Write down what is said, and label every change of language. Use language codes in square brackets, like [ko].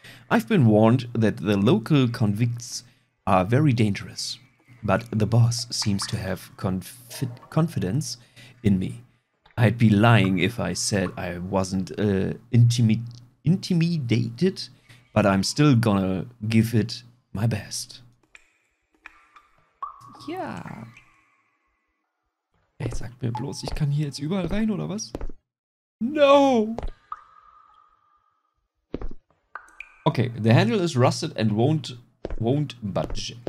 [en] I've been warned that the local convicts are very dangerous, but the boss seems to have confidence in me. I'd be lying if I said I wasn't intimidated, but I'm still gonna give it my best. [de] Ja. Ey, sag mir bloß, ich kann hier jetzt überall rein, oder was? [en] No! Okay, the handle is rusted and won't budge.